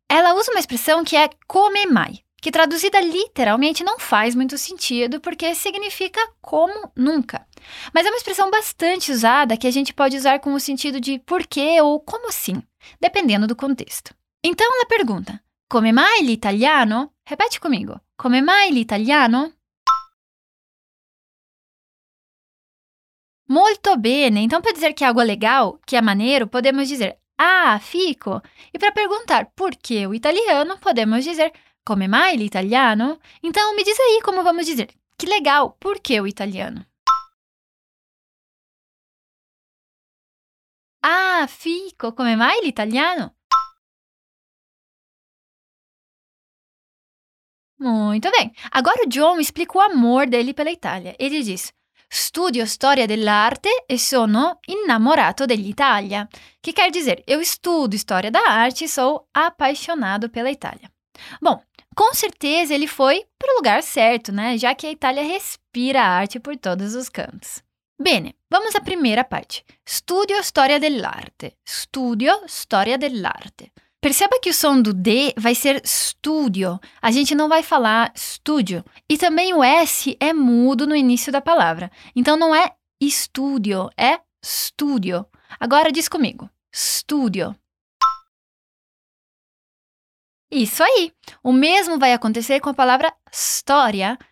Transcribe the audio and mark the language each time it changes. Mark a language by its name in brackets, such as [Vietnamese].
[Portuguese] Ela usa uma expressão que é come mai, que traduzida literalmente não faz muito sentido, porque significa como nunca. Mas é uma expressão bastante usada, que a gente pode usar com o sentido de por quê ou como assim, dependendo do contexto. Então, ela pergunta, [Italian] come mai l'italiano? [Portuguese] Repete comigo, [Italian] come mai l'italiano? Molto bene. [Portuguese] Então, para dizer que algo é legal, que é maneiro, podemos dizer, ah, fico. E para perguntar por que o italiano, podemos dizer, [Italian] come mai l'italiano? [Portuguese] Então, me diz aí como vamos dizer. Que legal, por que o italiano? [Italian] Ah, fico, come mai l'italiano? [Portuguese] Muito bem. Agora o John explica o amor dele pela Itália. Ele diz, [Italian] studio storia dell'arte e sono innamorato dell'Italia. [Portuguese] Que quer dizer, eu estudo história da arte e sou apaixonado pela Itália. Bom, com certeza ele foi para o lugar certo, né? Já que a Itália respira arte por todos os cantos. Bene, vamos à primeira parte. [Italian] Studio storia dell'arte. Studio storia dell'arte. [Portuguese] Perceba que o som do D vai ser studio. A gente não vai falar studio. E também o S é mudo no início da palavra. Então não é studio, é studio. Agora diz comigo. Studio. Isso aí! O mesmo vai acontecer com a palavra história.